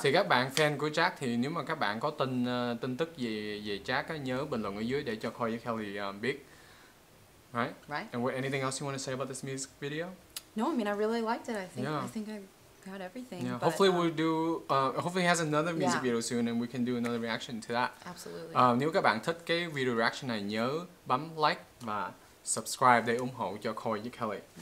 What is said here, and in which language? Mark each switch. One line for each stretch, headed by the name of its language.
Vietnamese: Thì các bạn fan của Jack thì nếu mà các bạn có tin tức về Jack nhớ bình luận ở dưới để cho Khoi với Kelli biết.
English: Right. Right. And anything else you want to say about this music video? No, I mean I really liked it. I think I got everything. Yeah, but, hopefully we'll do. Hopefully he has another music yeah. video soon, and we can do another reaction to that. Absolutely.
Vietnamese: Nếu các bạn thích cái video reaction này, nhớ bấm like và subscribe để ủng hộ cho Khoi với Kelli.